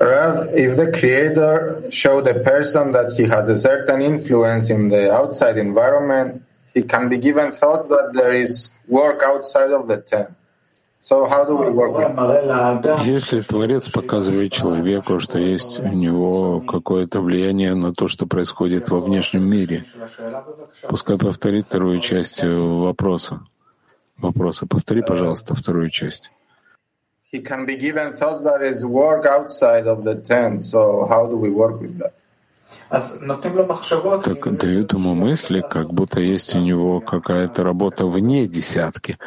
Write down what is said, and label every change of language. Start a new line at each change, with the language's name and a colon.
English: Rav, if the Creator showed a person that he has a certain influence in the outside environment, he can be given thoughts that there is work outside of the tent. So how do we work with it?
Russian: Если Творец показывает человеку, что есть у него какое-то влияние на то, что происходит во внешнем мире, пускай повторит вторую часть вопроса. Вопроса. Повтори, пожалуйста, вторую часть.
English: He can be given thoughts that is work outside of the tent. So how do we work with that?
Russian: Так дают ему мысли, как будто есть у него какая-то работа вне десятки.